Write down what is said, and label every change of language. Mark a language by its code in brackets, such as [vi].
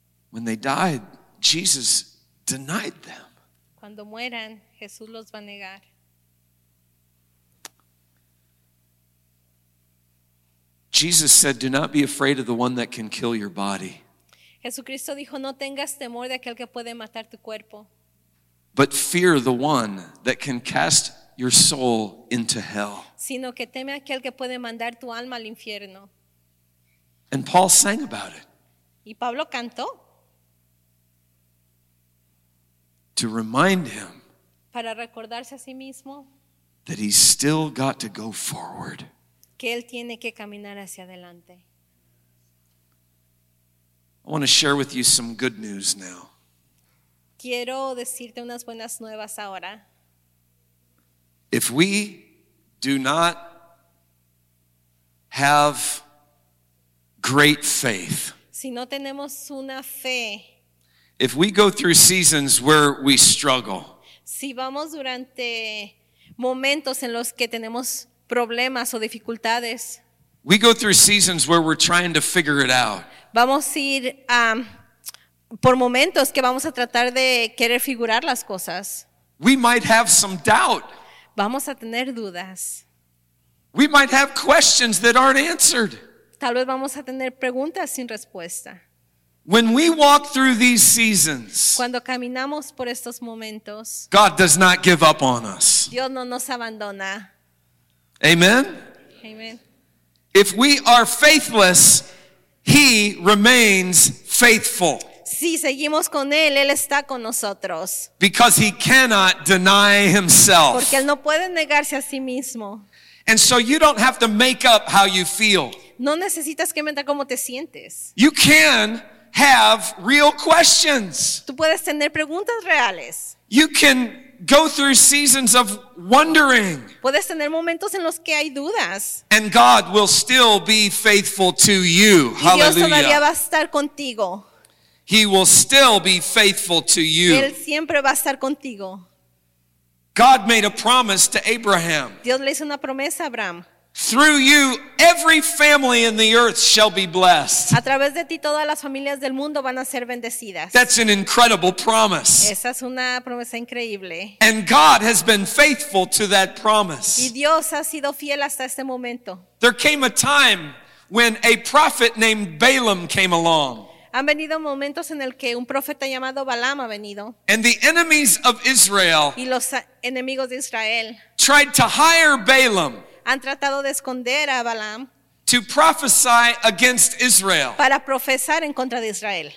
[en] when they died, Jesus denied them. [es] Cuando mueran, Jesús los va a negar. [en] Jesus said, "Do not be afraid of the one that can kill your body." [es] Jesucristo dijo, "No tengas temor de aquel que puede matar tu cuerpo." [en] But fear the one that can cast your soul into hell. [es] Sino que teme aquel que puede mandar tu alma al infierno. [en] And Paul sang about it. [es] Y Pablo cantó. [en] To remind him. [es] Para recordarse a sí mismo. [en] That he's still got to go forward. [es] Que él tiene que caminar hacia adelante. [en] I want to share with you some good news now. [es] Quiero decirte unas buenas nuevas ahora. [en] If we do not have great faith, [es] si no tenemos una fe, [en] if we go through seasons where we struggle, [es] si vamos durante momentos en los que tenemos problemas o dificultades, [en] we go through seasons where we're trying to figure it out. [es] Vamos a ir por momentos que vamos a tratar de querer figurar las cosas. [en] We might have some doubt. [es] Vamos a tener dudas. [en] We might have questions that aren't answered. [es] Tal vez vamos a tener preguntas sin respuesta. [en] When we walk through these seasons, [es] cuando caminamos por estos momentos, [en] God does not give up on us. [es] Dios no nos abandona. [en] Amen. [es] Amen. [en] If we are faithless, He remains faithful. [es] Si seguimos con él, él está con nosotros. [en] Because he cannot deny himself. [es] Porque él no puede negarse a sí mismo. [en] And so you don't have to make up how you feel. [es] No necesitas que mentir cómo te sientes. [en] You can have real questions. [es] Tú puedes tener preguntas reales. [en] You can go through seasons of wondering. [es] Puedes tener momentos en los que hay dudas. [en] And God will still be faithful to you. Hallelujah. [es] Y Dios todavía va a estar contigo. [en] He will still be faithful to you. [es] Él siempre va a estar contigo. [en] God made a promise to Abraham. [es] Dios le hizo una promesa a Abraham. [en] Through you, every family in the earth shall be blessed. [es] A través de ti, todas las familias del mundo van a ser bendecidas. [en] That's an incredible promise. [es] Esa es una promesa increíble. [en] And God has been faithful to that promise. [es] Y Dios ha sido fiel hasta este momento. [en] There came a time when a prophet named Balaam came along. [es] Han venido momentos en el que un profeta llamado Balaam ha venido. [en] And the enemies of Israel, [es] y los enemigos de Israel, [en] tried to hire Balaam, [es] han tratado de esconder a Balaam, [en] to prophesy against Israel, [es] para profesar en contra de Israel,